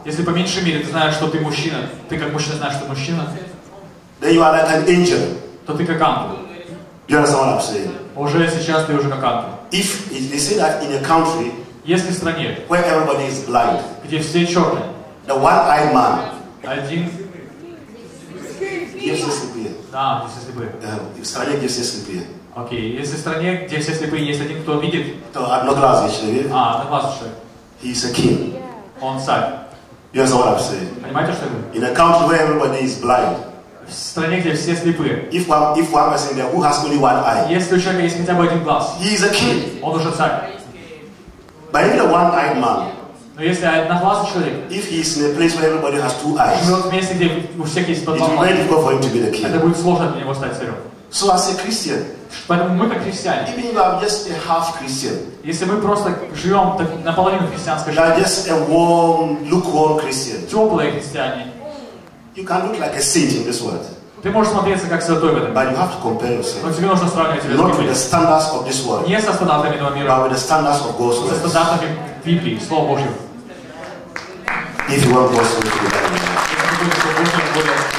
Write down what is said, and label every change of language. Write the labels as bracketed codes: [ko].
[ru] Если по меньшей мере ты знаешь, что ты мужчина, ты как мужчина знаешь, что ты мужчина. [en] Then you are like an angel. [ru] То ты как ангел. [en] You understand what I'm saying? [ru] Уже сейчас ты уже как ангел. [en] If they say that in a country, [ru] если в стране, [en] where everybody is blind, [ru] где все черные, [en] the one-eyed man, [ru] один, yes, все слепые. Да, все слепые. В стране, где все слепые. Окей, если в стране, где все слепые, есть один, кто видит, то одноглазый человек. А, одноглазый человек. [en] He is a king. [ru] Он царь. [en] You understand what I'm saying? [ru] Понимаете, что я говорю? [en] In a country where everybody is blind. [ru] В стране, где все слепые. [en] If one person there who has only one eye. [ru] Если у человека есть хотя бы один глаз. [en] He is a king. [ru] Он уже царь. [en] But if the one-eyed man. [ru] Но если одноглазый человек. [en] If he is in a place where everybody has two eyes. [ru] Живет в месте, где у всех есть по два глаза. [en] It's very difficult for him to be the king. [ru] Это будет сложно для него стать царем. [en] So as a Christian. [ru] Поэтому мы как христиане. [en] Even if I'm just a half Christian. [ru] Если мы просто живем так, наполовину христианской жизни. [en] Just a warm, lukewarm Christian. [ru] Теплые христиане. [en] You can look like a saint in this world. [ru] Ты можешь смотреться как святой в этом. [en] But you have to compare yourself. [ru] Но тебе нужно сравнивать себя. [en] Not with the standards of this world. [ru] Не со стандартами этого мира. [en] But with the standards of God's word. [ru] Со стандартами Библии, Слова Божьего. [en] If you want God's word to be better.